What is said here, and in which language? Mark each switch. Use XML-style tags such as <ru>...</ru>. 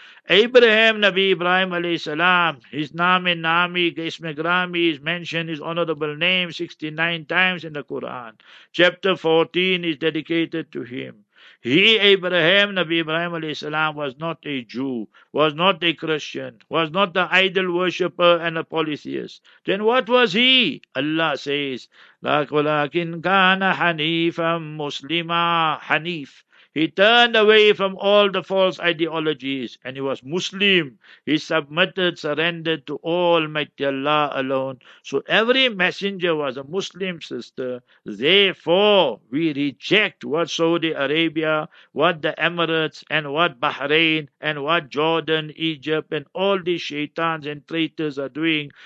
<en>Abraham, Nabi Ibrahim alayhi salam, his name Nami, Gisme Grami is mentioned, his honorable name 69 times in the Quran. Chapter 14 is dedicated to him. He, Abraham, Nabi Ibrahim alayhi salam, was not a Jew, was not a Christian, was not an idol worshipper and a polytheist. Then what was he? Allah says,</en> <ar>لَكُلَكِنْ كَانَ حَنِيفًا مُسْلِمًا حَنِيف.</ar> <en>He turned away from all the false ideologies and he was Muslim. He submitted, surrendered to Almighty Allah alone. So every messenger was a Muslim, sister. Therefore, we reject what Saudi Arabia, what the Emirates, and what Bahrain, and what Jordan, Egypt, and all these shaitans and traitors are doing.</en>